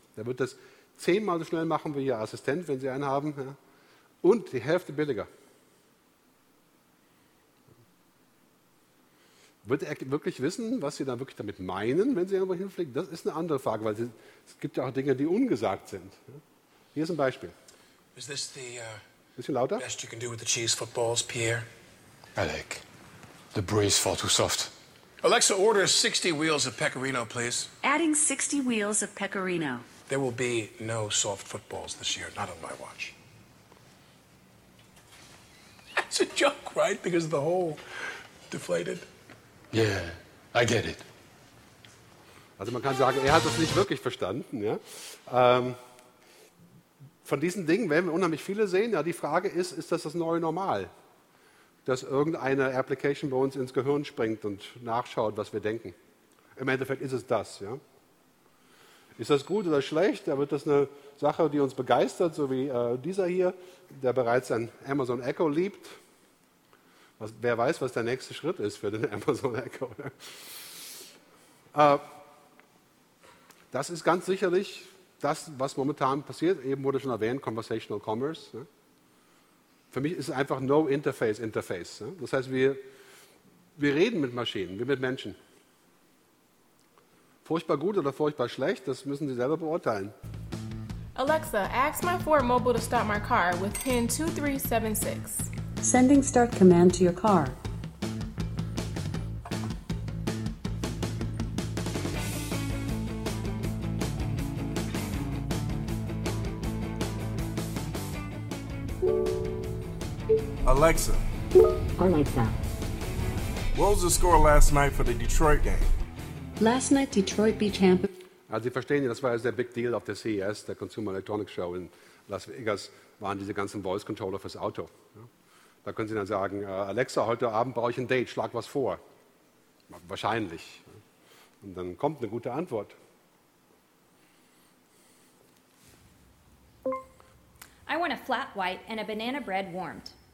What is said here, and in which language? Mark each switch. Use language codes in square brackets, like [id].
[de] Er wird das 10-mal so schnell machen wie Ihr Assistent, wenn Sie einen haben. Ja? Und die Hälfte billiger. Wird er wirklich wissen, was Sie dann wirklich damit meinen, wenn Sie irgendwo hinfliegen? Das ist eine andere Frage, weil es gibt ja auch Dinge, die ungesagt sind. Ja? Hier ist ein Beispiel. [en] Is this the best you can do with the cheese footballs, Pierre? Alec, the brie is far too soft. Alexa, order 60 wheels of pecorino, please. Adding 60 wheels of pecorino. There will be no soft footballs this year, not on my watch. It's a joke, right? Because of the hole deflated. Yeah, I get it. [de] Also man kann sagen, hat das nicht wirklich verstanden. Ja? Von diesen Dingen werden wir unheimlich viele sehen. Ja, die Frage ist, ist das das neue Normal? Dass irgendeine Application bei uns ins Gehirn springt und nachschaut, was wir denken. Im Endeffekt ist es das. Ja? Ist das gut oder schlecht? Da wird das eine Sache, die uns begeistert, so wie dieser hier, der bereits ein Amazon Echo liebt. Wer weiß, was der nächste Schritt ist für den Amazon Echo. Das ist ganz sicherlich das, was momentan passiert. Eben wurde schon erwähnt, Conversational Commerce. Ne? Für mich ist es einfach No Interface Interface. Ne? Das heißt, wir reden mit Maschinen, wie mit Menschen. Furchtbar gut oder furchtbar schlecht, das müssen Sie selber beurteilen. [en] Alexa, ask my Ford Mobile to start my car with PIN 2376. Sending start command to your car. Alexa. Alexa. What was the score last night for the Detroit game? Last night Detroit beat Tampa. [de] Also Sie verstehen ja, das war ja der Big Deal auf der CES, der Consumer Electronics Show in Las Vegas, waren diese ganzen Voice Controller fürs Auto. Ja. Da können Sie dann sagen, Alexa, heute Abend brauche ich ein Date, schlag was vor. Wahrscheinlich. Und dann kommt eine gute Antwort. [en] I want a flat white and a banana bread warmed.